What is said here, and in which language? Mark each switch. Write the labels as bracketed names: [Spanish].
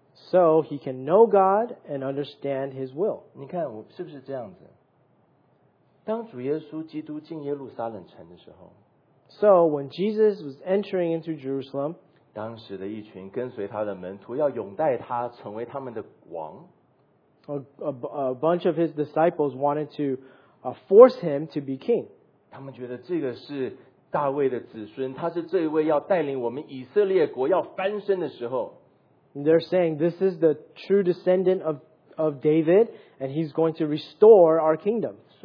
[English] So he can know God and understand his will. [Chinese] 你看，是不是这样子？当主耶稣基督进耶路撒冷城的时候， [English] So when Jesus was entering into Jerusalem, [Chinese] 当时的一群跟随他的门徒要拥戴他成为他们的王。 [English] A bunch of his disciples wanted to force him to be king. [Chinese] 他们觉得这个是大卫的子孙，他是这位要带领我们以色列国要翻身的时候。 [English] They're saying this is the true descendant of David, and he's going to restore our kingdom.